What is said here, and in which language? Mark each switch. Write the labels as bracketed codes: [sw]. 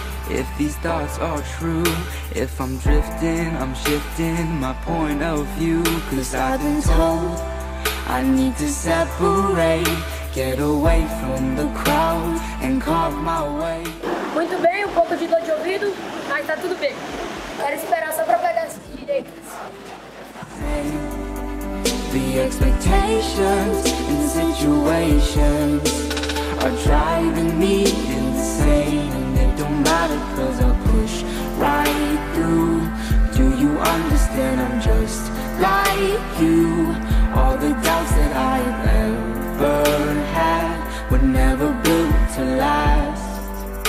[en] If these thoughts are true, if I'm drifting, I'm shifting my point of view. 'Cause I've been told I need to separate, get away from the crowd and carve my way. [pt] Muito bem, um pouco de dor de ouvido, mas tá tudo bem. Quero esperar só pra pegar as direitas. [en] The expectations and situations are driving me insane. Cause I'll push right through. Do you understand? I'm just like you. All the doubts that I've ever had were never built to last.